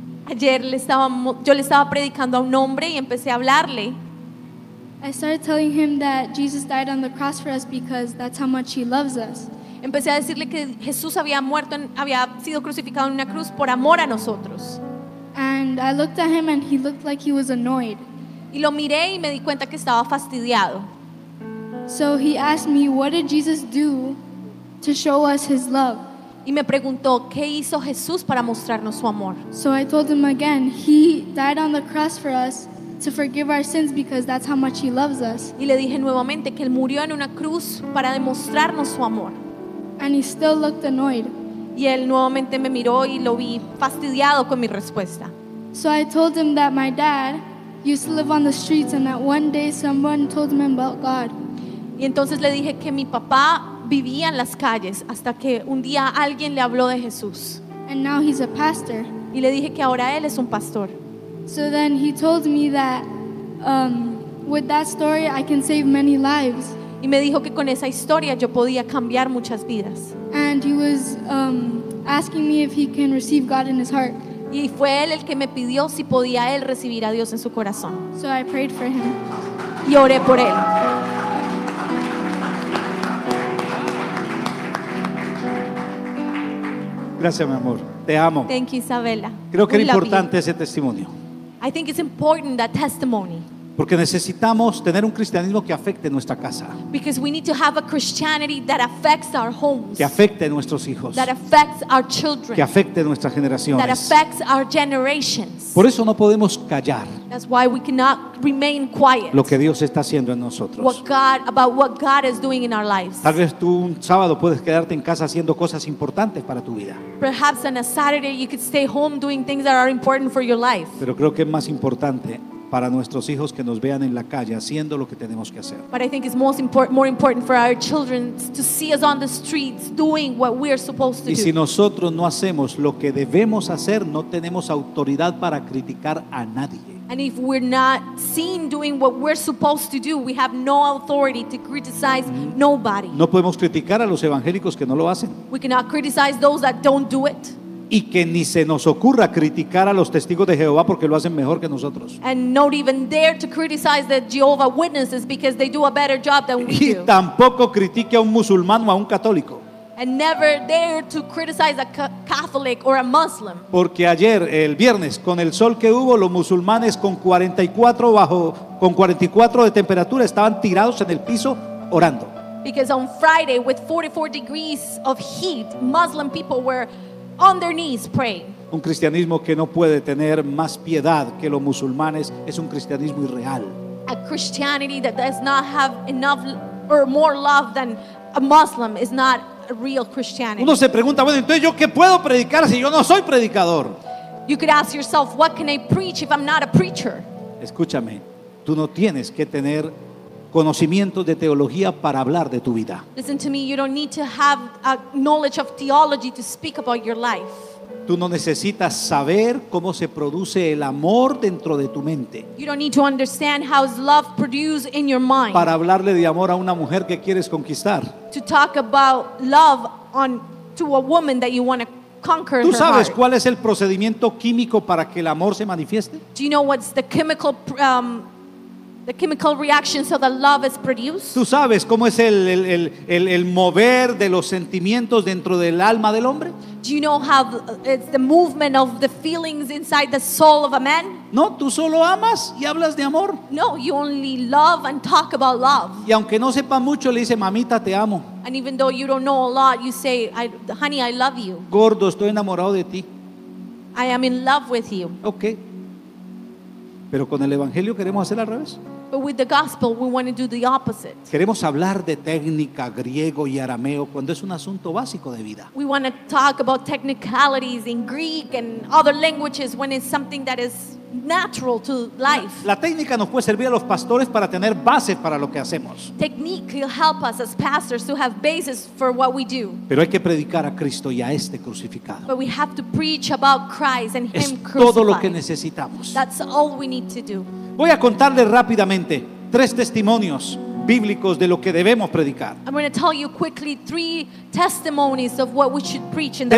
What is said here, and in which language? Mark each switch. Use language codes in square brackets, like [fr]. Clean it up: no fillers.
[es] Ayer le estaba predicando a un hombre y empecé a hablarle. [en] I started telling him that Jesus died on the cross for us because that's how much he loves us. [es] Empecé a decirle que Jesús había sido crucificado en una cruz por amor a nosotros. [en] And I looked at him and he looked like he was annoyed. [es] Y lo miré y me di cuenta que estaba fastidiado. [en] So he asked me, what did Jesus do to show us his love? [es] Y me preguntó, ¿qué hizo Jesús para mostrarnos su amor? [en] So I told him again, he died on the cross for us to forgive our sins because that's how much he loves us. [es] Y le dije nuevamente que él murió en una cruz para demostrarnos su amor. [en] And he still looked annoyed. [es] Y él nuevamente me miró y lo vi fastidiado con mi respuesta. [en] So I told him that my dad used to live on the streets and that one day someone told him about God. [es] Y entonces le dije que mi papá vivía en las calles hasta que un día alguien le habló de Jesús. [en] And now he's a pastor. [es] Y le dije que ahora él es un pastor. [en] So then he told me that with that story I can save many lives. [es] Y me dijo que con esa historia yo podía cambiar muchas vidas. [en] And he was asking me if he can receive God in his heart. [es] Y fue él el que me pidió si podía él recibir a Dios en su corazón. [en] So I prayed for him. [es] Y oré por él. Gracias, mi amor. Te amo. [en] Thank you, Isabella. [es] Creo que era importante ese testimonio. [en] I think it's important, that testimony. [es] Porque necesitamos tener un cristianismo que afecte nuestra casa. [en] Because we need to have a Christianity that affects our homes. [es] Que afecte nuestros hijos. [en] That affects our children. [es] Que afecte nuestras generaciones. [en] That affects our generations. [es] Por eso no podemos callar. [en] That's why we cannot remain quiet. [es] Lo que Dios está haciendo en nosotros. [en] About what God is doing in our lives. [es] Tal vez tú un sábado puedes quedarte en casa haciendo cosas importantes para tu vida. [en] Perhaps on a Saturday you could stay home doing things that are important for your life. [es] Pero creo que es más importante para nuestros hijos que nos vean en la calle haciendo lo que tenemos que hacer. [en] But I think it's more important for our children to see us on the streets doing what we are supposed to do. [es] Y si nosotros no hacemos lo que debemos hacer, no tenemos autoridad para criticar a nadie. [en] And if we're not seen doing what we're supposed to do, we have no authority to criticize nobody. [es] No podemos criticar a los evangélicos que no lo hacen. [en] We cannot criticize those that don't do it. [es] Y que ni se nos ocurra criticar a los testigos de Jehová porque lo hacen mejor que nosotros. [en] And not even dare to criticize the Jehovah Witnesses because they do a better job than we do. [es] Y tampoco critique a un musulmán o a un católico. [en] And never dare to criticize a Catholic or a Muslim. [es] Porque ayer, el viernes, con el sol que hubo, los musulmanes con 44 de temperatura estaban tirados en el piso orando. [en] Because on Friday, with 44 degrees of heat, Muslim people were on their knees praying. [es] Un cristianismo que no puede tener más piedad que los musulmanes es un cristianismo irreal. [en] A Christianity that does not have enough or more love than a Muslim is not a real Christianity. [es] Uno se pregunta, bueno, entonces yo qué puedo predicar si yo no soy predicador. [en] You could ask yourself, what can I preach if I'm not a preacher? [es] Escúchame, tú no tienes que tener conocimiento de teología para hablar de tu vida. [en] Listen to me, you don't need to have a knowledge of theology to speak about your life. [es] Tú no necesitas saber cómo se produce el amor dentro de tu mente. [en] You don't need to understand how is love produced in your mind. [es] Para hablarle de amor a una mujer que quieres conquistar. [en] To talk about love to a woman that you want to conquer. [es] ¿Tú sabes cuál es el procedimiento químico para que el amor se manifieste? [en] Do you know what's the chemical the chemical reaction so that love is produced? [es] ¿Tú sabes cómo es el mover de los sentimientos dentro del alma del hombre? [en] Do you know how it's the movement of the feelings inside the soul of a man? [es] No, tú solo amas y hablas de amor. [en] No, you only love and talk about love. [es] Y aunque no sepa mucho, le dice, mamita, te amo. [en] And even though you don't know a lot, you say, honey, I love you. [es] Gordo, estoy enamorado de ti. [en] I am in love with you. Okay. [es] Pero con el evangelio queremos hacer al revés. [en] But with the gospel, we want to do the opposite. [es] Queremos hablar de técnica griego y arameo cuando es un asunto básico de vida. [en] We want to talk about technicalities in Greek and other languages when it's something that is natural to life. [es] La técnica nos puede servir a los pastores para tener bases para lo que hacemos. [en] Technique will help us as pastors to have bases for what we do. [es] Pero hay que predicar a Cristo y a este crucificado. [en] But we have to preach about Christ and him crucified. [es] Es todo lo que necesitamos. [en] That's all we need to do. [es] Voy a contarle rápidamente tres testimonios bíblicos de lo que debemos predicar. [en] I'm going to tell you quickly three testimonies of what we should preach in the